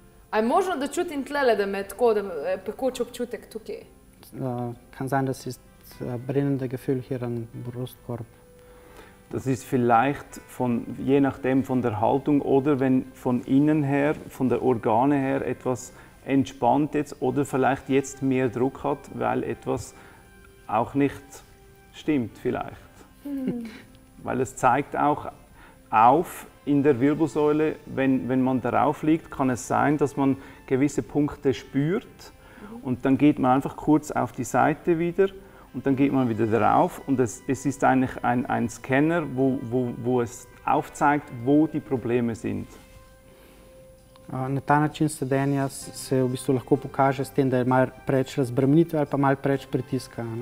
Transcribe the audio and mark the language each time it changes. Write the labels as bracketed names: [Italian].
[Slovenian] A je možno, da čutim tlele, da me tako, da je pekoč občutek tukaj? [German] Kan sein, da si brennende Gefühl hier am Brustkorb. Das ist vielleicht je nachdem von der Haltung oder wenn von innen her, von der Organe her etwas entspannt jetzt oder vielleicht jetzt mehr Druck hat, weil etwas auch nicht stimmt vielleicht. Weil es zeigt auch auf in der Wirbelsäule, wenn man darauf liegt, kann es sein, dass man gewisse Punkte spürt und dann geht man einfach kurz auf die Seite wieder. Und dann geht man wieder drauf und es ist eigentlich ein Scanner, wo es aufzeigt, wo die Probleme sind. [Slovenian] Na ta način sedenja se v bistvu lahko pokaže s tem, da je mal preč razbremenitve ali pa mal preč pritiska.